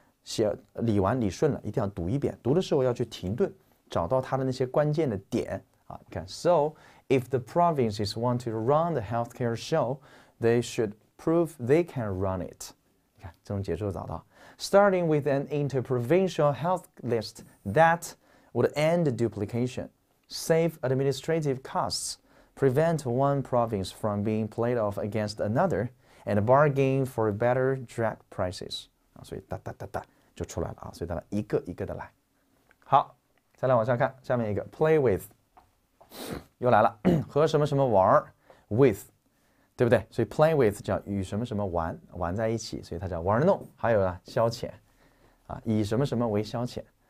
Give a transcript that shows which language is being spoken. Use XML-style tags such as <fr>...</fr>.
<zh>写理完理顺了，一定要读一遍，读的时候要去停顿，找到它的那些关键的点啊。你看，</zh> <en>So if the provinces want to run the healthcare show, they should prove they can run it。</en> <zh>你看，这种节奏找到，</zh> <en>Starting with an inter-provincial health list that would end duplication, save administrative costs, prevent one province from being played off against another, and bargain for better drug prices。</en> <zh>啊，所以哒哒哒哒。就出来了啊，所以大家一个一个的来。好，再来往下看，下面一个 play with，又来了，和什么什么玩儿 with，对不对？所以 play with 叫与什么什么玩，玩在一起，所以它叫玩弄。还有啊，消遣，啊，以什么什么为消遣。</zh>